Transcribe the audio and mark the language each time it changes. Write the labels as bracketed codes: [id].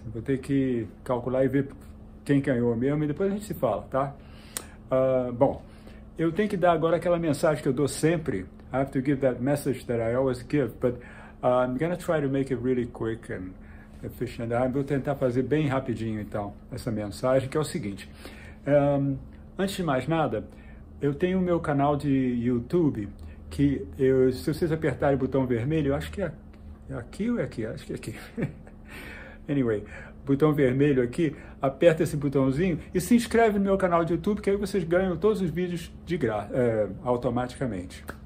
[pt] Vou ter que calcular e ver quem ganhou mesmo e depois a gente se fala, tá? Bom, eu tenho que dar agora aquela mensagem que eu dou sempre. [en] I have to give that message that I always give, but I'm going to try to make it really quick and efficient. [pt] I will tentar fazer bem rapidinho, então, essa mensagem, que é o seguinte. Antes de mais nada, eu tenho o meu canal de YouTube, que eu, se vocês apertarem o botão vermelho, eu acho que é aqui ou é aqui? Acho que é aqui. Anyway, botão vermelho aqui, aperta esse botãozinho e se inscreve no meu canal de YouTube, que aí vocês ganham todos os vídeos de graça, automaticamente.